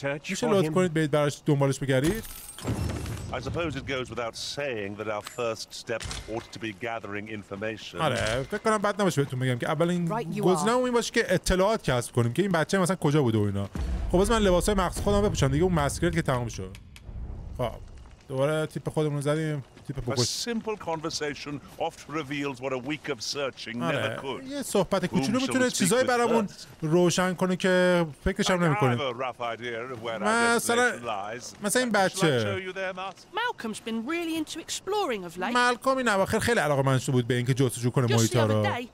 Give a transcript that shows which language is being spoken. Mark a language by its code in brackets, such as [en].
[fa] میشه لطف کنید بید براش دنبالش بگردید؟ [en] I suppose it goes without saying that our first step ought to be gathering information. [fa] آره، فکر کنم بد نباشه بهتون بگم که اولین گزینه‌مون این باشه که اطلاعات کسب کنیم که این بچه مثلا کجا بوده و اینا. خب از من لباسای مخصوص خودم بپوشم دیگه، اون ماسکرد که تموم شد. خب دوباره تیپ خودمون رو زدیم. [en] A simple conversation oft reveals what a week of searching never could. [fa] یه صحبت کوچولو میتونه چیزای برامون روشن کنه که فکرش هم نمی‌کنیم. مثلا این بچه [en] Malcolm's been really into exploring of late. [fa] مالکم این اواخر خیلی علاقه‌مند بود به اینکه جستجو کنه محیطا رو.